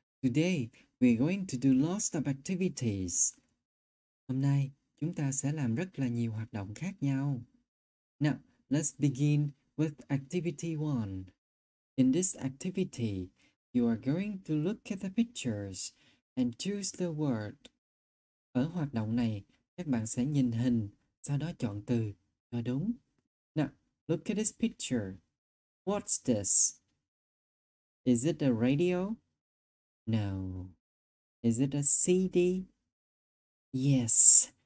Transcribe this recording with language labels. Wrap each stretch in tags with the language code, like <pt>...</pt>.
<en>Today, we're going to do lots of activities.</en> <vi>Hôm nay, chúng ta sẽ làm rất là nhiều hoạt động khác nhau.</vi> <en>Now, let's begin with activity 1. In this activity, you are going to look at the pictures and choose the word.</en> <vi>Ở hoạt động này, các bạn sẽ nhìn hình, sau đó chọn từ cho đúng.</vi> <en>Now, look at this picture. What's this? Is it a radio? No. Is it a CD? Yes.</en>